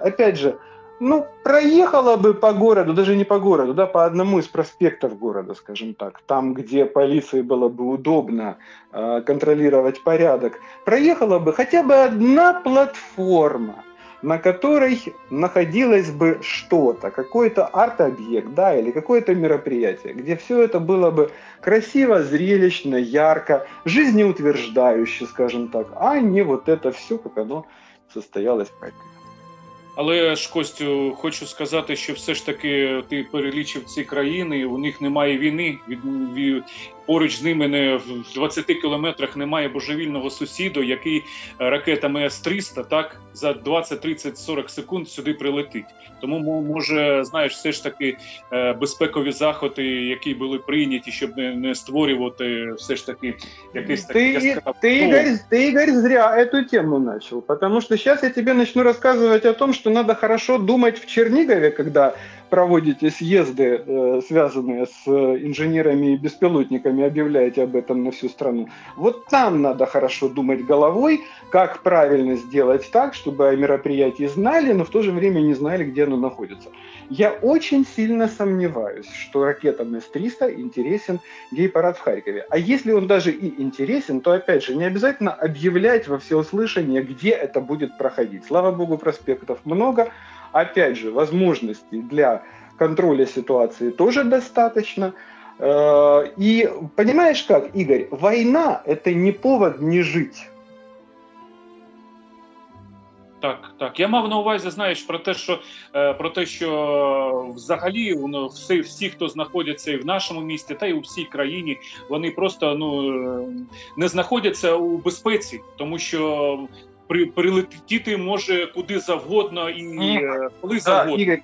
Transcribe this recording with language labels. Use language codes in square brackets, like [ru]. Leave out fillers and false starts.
[ru] Опять же, проехала бы по городу, даже не по городу, да, по одному из проспектов города, скажем так, там, где полиции было бы удобно контролировать порядок, проехала бы хотя бы одна платформа, на которой находилось бы что-то, какой-то арт-объект, да, или какое-то мероприятие, где все это было бы красиво, зрелищно, ярко, жизнеутверждающе, скажем так, а не вот это все, как оно состоялось проект. [uk] Але ж, Костю, хочу сказати, що все ж таки ти перелічив ці країни, у них немає війни, поруч з ними в 20 кілометрах немає божевільного сусіду, який ракетами С-300 так, за 20-30-40 секунд сюди прилетить. Тому, може, знаєш, все ж таки безпекові заходи, які були прийняті, щоб не створювати все ж таки якийсь такий яскравий. Ти, Ігор, зря цю тему почав, тому що зараз я тобі почну розказувати про те, [ru] что надо хорошо думать в Чернигове, когда проводите съезды, связанные с инженерами и беспилотниками, объявляете об этом на всю страну. Вот там надо хорошо думать головой, как правильно сделать так, чтобы о мероприятии знали, но в то же время не знали, где оно находится. Я очень сильно сомневаюсь, что ракетам С-300 интересен гей-парад в Харькове. А если он даже и интересен, то, опять же, не обязательно объявлять во всеуслышание, где это будет проходить. Слава богу, проспектов много. Опять же, возможностей для контроля ситуации тоже достаточно. И понимаешь как, Игорь, война – это не повод не жить. [uk] Так, так. Я мав на увазі, знаєш, про те, що взагалі всі, хто знаходяться і в нашому місті, та й у всій країні, вони просто не знаходяться у безпеці, тому що прилетіти може куди завгодно і коли завгодно.